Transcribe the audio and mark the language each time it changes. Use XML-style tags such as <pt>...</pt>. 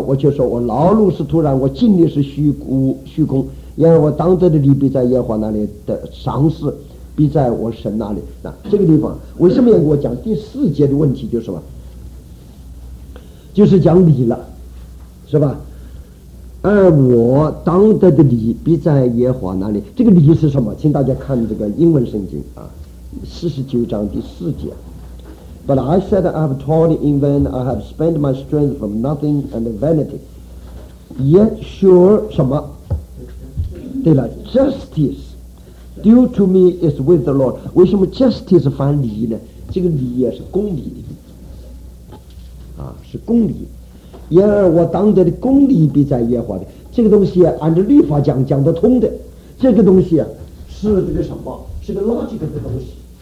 <zh>我却说我劳碌是徒然，我尽力是虚空，因为我当得的礼必在耶和华那里的赏赐，必在我神那里。那这个地方为什么要给我讲第4节的问题？就是什么？就是讲理了，是吧？而我当得的理必在耶和华那里。这个理是什么？请大家看这个英文圣经啊，49:4。</zh> <en>But I said, I have toiled in vain, I have spent my strength from nothing and vanity. Yet sure,</en> <zh>什么？对了</zh> <en>，justice due to me is with the Lord.</en> <zh>为什么 justice 反理呢？这个理也是公理的，啊，是公理。然而我当得的公理必在耶和华的。这个东西、啊、按照律法讲讲得通的。这个东西、啊、是这个什么？是个 logic 的东西。</zh>